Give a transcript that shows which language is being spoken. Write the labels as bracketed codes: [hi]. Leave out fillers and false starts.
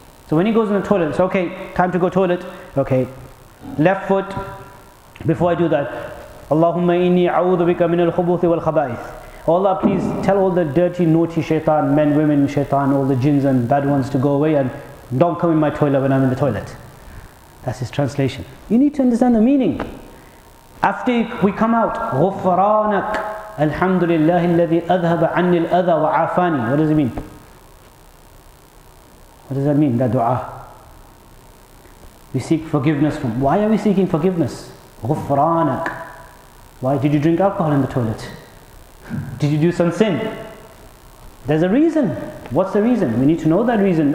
[en] So when he goes in the toilet, it's okay, time to go toilet. Okay, left foot, before I do that. [ar] Allahumma inni a'udhu bika min al-khubuthi wal-khaba'ith. [en] Oh Allah, please tell all the dirty, naughty shaitan, men, women, shaitan, all the jinns and bad ones to go away and don't come in my toilet when I'm in the toilet. That's his translation. You need to understand the meaning. After we come out, [ar] غُفْرَانَكَ أَلْحَمْدُ لِلَّهِ الَّذِي أَذْهَبَ عَنِّي الْأَذَى وَعَافَانِي. [en] What does it mean? What does that mean, that dua? We seek forgiveness from... Why are we seeking forgiveness? [ar] غُفْرَانَكَ. [en] Why did you drink alcohol in the toilet? Did you do some sin? There's a reason. What's the reason? We need to know that reason.